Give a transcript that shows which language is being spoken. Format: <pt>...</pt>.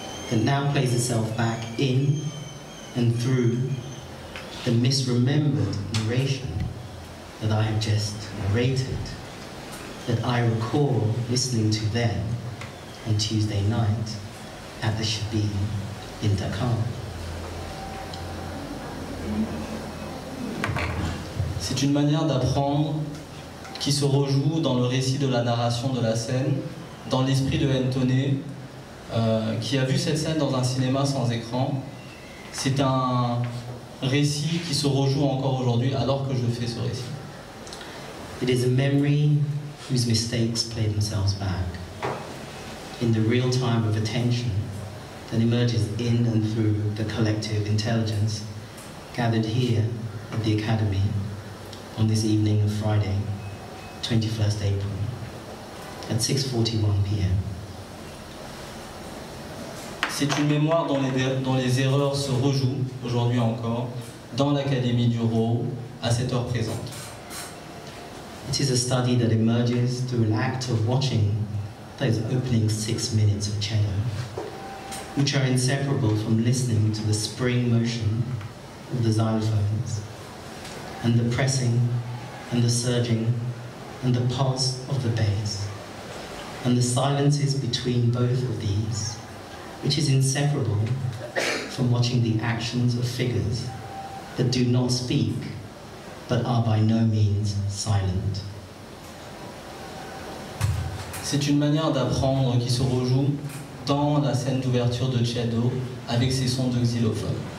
<en>that now plays itself back in and through the misremembered narration that I have just narrated, that I recall listening to then on Tuesday night at the Shabin in Dakar.</en> <fr>C'est une manière d'apprendre qui se rejoue dans le récit de la narration de la scène, dans l'esprit de Ntone, qui a vu cette scène dans un cinéma sans écran. C'est un récit qui se rejoue encore aujourd'hui alors que je fais ce récit.</fr> <en>It is a memory whose mistakes play themselves back in the real time of attention that emerges in and through the collective intelligence gathered here at the Academy on this evening of Friday, 21st April, at 6:41 p.m.</en> <fr>C'est une mémoire dont les erreurs se rejouent aujourd'hui encore dans l'Académie du Rho à cette heure présente.</fr> <en>It is a study that emerges through an act of watching those opening 6 minutes of cello, which are inseparable from listening to the spring motion of the xylophones and the pressing and the surging and the pulse of the bass and the silences between both of these, which is inseparable from watching the actions of figures that do not speak but are by no means silent.</en> <fr>C'est une manière d'apprendre qui se rejoue dans la scène d'ouverture de Chedo avec ses sons de xylophone.</fr>